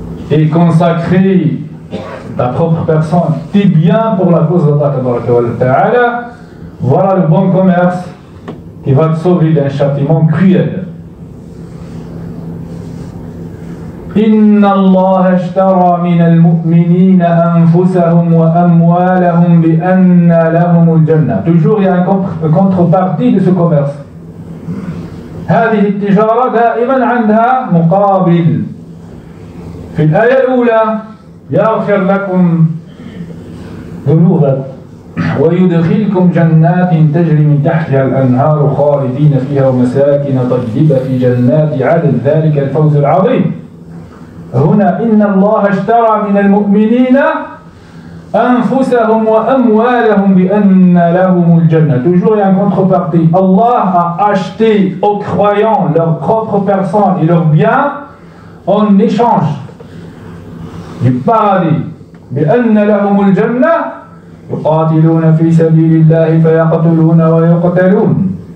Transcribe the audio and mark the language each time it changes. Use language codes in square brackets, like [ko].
[fr] et consacrer ta propre personne, tes biens pour la cause d'Allah, voilà le bon commerce qui va te sauver d'un châtiment cruel. [ar] إِنَّ اللَّهَ اشْتَرَى مِنَ الْمُؤْمِنِينَ أَنفُسَهُمْ وَأَمْوَالَهُمْ بِأَنَّ لَهُمُ الْجَنَّةِ. [fr] Toujours il y a une contrepartie de ce commerce. [ar] هذه التجارة دائما عندها مقابل. في الآية الأولى يغفر لكم ذنوبكم ويدخلكم جنات تجري من تحتها الأنهار خالدين فيها ومساكن طيبة في جنات عدن ذلك الفوز العظيم. هنا إن الله اشترى من المؤمنين أنفسهم وأموالهم بأن لهم الجنة. [fr] Toujours une contrepartie. Allah a acheté aux croyants leurs propres personnes et leurs biens en échange du paradis. [ar] بِأَنَّ لَهُمُ الْجَنَّةِ يُقَاتِلُونَ فِي سَبِيلِ اللَّهِ فَيَقْتُلُونَ وَيُقْتَلُونَ.